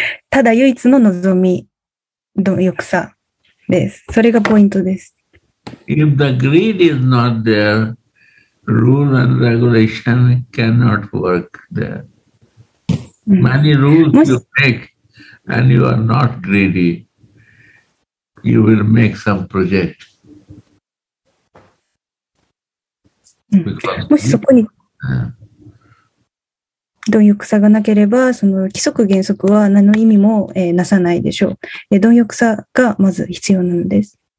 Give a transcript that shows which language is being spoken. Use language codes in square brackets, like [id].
[ja] ただ唯一の望みの欲さです。それがポイントです。 [en] If the greed is not there, rule and regulation cannot work there. Many rules you make and you are not greedy, you will make some project. [ja] もしそこに貪欲さがなければ、その規則原則は何の意味も、なさないでしょう。貪欲さがまず必要なのです。